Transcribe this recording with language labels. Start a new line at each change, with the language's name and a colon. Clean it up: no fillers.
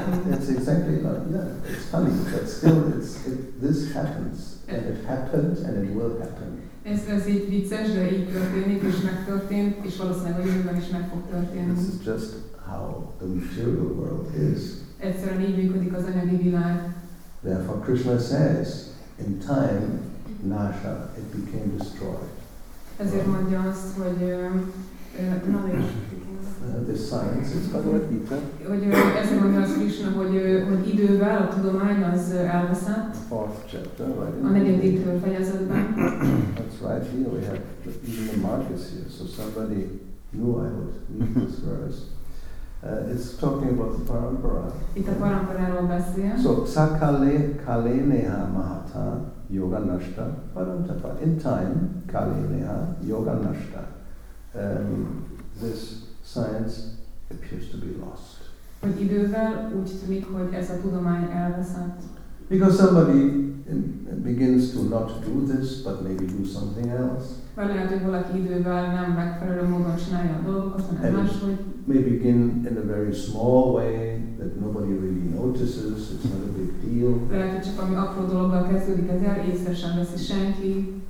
English: It's exactly like, yeah, it's funny, but still this happens, and it happened, and it will happen.
Hungarian: Ez így vicces, de így történik, és megtörtént, és valószínűleg a jövőben is meg fog történni.
English: This is just how the material world is.
Hungarian: Egyszerűen így működik az anyagi világ.
English: Therefore Krishna says, in time, Nasha, it became destroyed.
Hungarian: Ezért mondja azt, hogy
English: this science is called Gita.
Hungarian: Hogy ezért mondja azt Krishna, hogy idővel a tudomány az elveszett.
English: Fourth chapter, right?
Hungarian: A negyedik fejezetben.
English: That's right here, we have even the markers here, so somebody knew I would read this verse. It's talking about the parampara.
Hungarian: Itt a paramparáról beszél.
Sanskrit: So, sakale kaleneha mahata yoga nashta paramtapa.
English: In time,
Sanskrit: kaleneha yoga nashta.
English: This science appears to be lost.
Hungarian: Hogy idővel úgy tűnik, hogy ez a tudomány elveszett.
English: Because somebody begins to not do this, but maybe do something else. Maybe begin in a very small way that nobody really notices. It's not a big deal.